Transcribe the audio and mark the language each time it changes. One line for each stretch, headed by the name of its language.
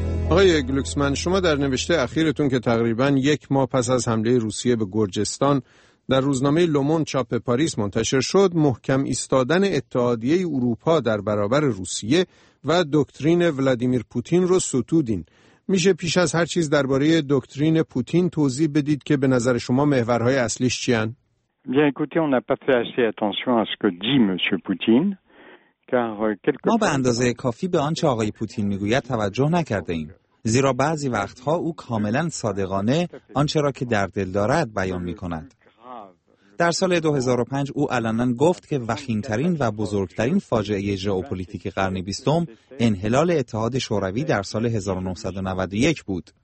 Persian: آقای گلوکسمن، شما در نوشته اخیرتون که تقریباً 1 ماه پس از حمله روسیه به گرجستان در روزنامه لومون چاپ پاریس منتشر شد، محکم ایستادن اتحادیه اروپا در برابر روسیه و دکترین ولادیمیر پوتین رو ستودین. میشه پیش از هر چیز درباره دکترین پوتین توضیح بدید که به نظر شما محورهای اصلیش چیان؟
French: Bien écoutez, on n'a pas fait assez attention à ce que dit monsieur Poutine.
Persian: ما به اندازه کافی به آنچه آقای پوتین میگوید توجه نکرده ایم. زیرا بعضی وقتها او کاملا صادقانه آنچه را که در دل دارد بیان می کند. در سال 2005 او علنا گفت که وخیمترین و بزرگترین فاجعه ژئوپلیتیک قرن بیستم انحلال اتحاد شوروی در سال 1991 بود.